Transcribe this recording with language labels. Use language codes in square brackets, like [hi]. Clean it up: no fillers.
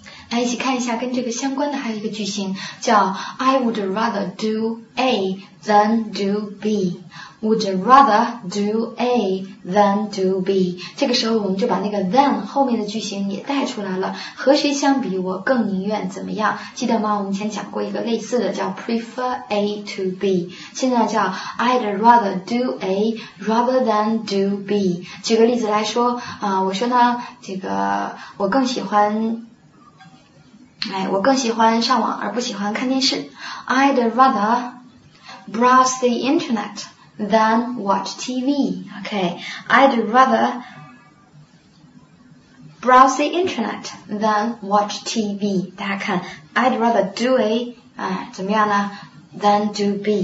[zh] 来一起看一下跟这个相关的还有一个句型叫 [en] I would rather do A than do B. Would rather do A than do B. [zh] 这个时候我们就把那个 than 后面的句型也带出来了，和谁相比我更宁愿怎么样，记得吗？我们前讲过一个类似的叫 [en] prefer A to B. [zh] 现在叫 [en] I'd rather do A rather than do B. [zh] 举个例子来说啊、我说呢这个我更喜欢我更喜欢上网而不喜欢看电视。 [en] I'd rather browse the internet than watch TV. Okay, I'd rather browse the internet than watch TV. [zh] 大家看 [en] ,I'd rather do A, [zh] 怎么样呢 [en] ?than do B.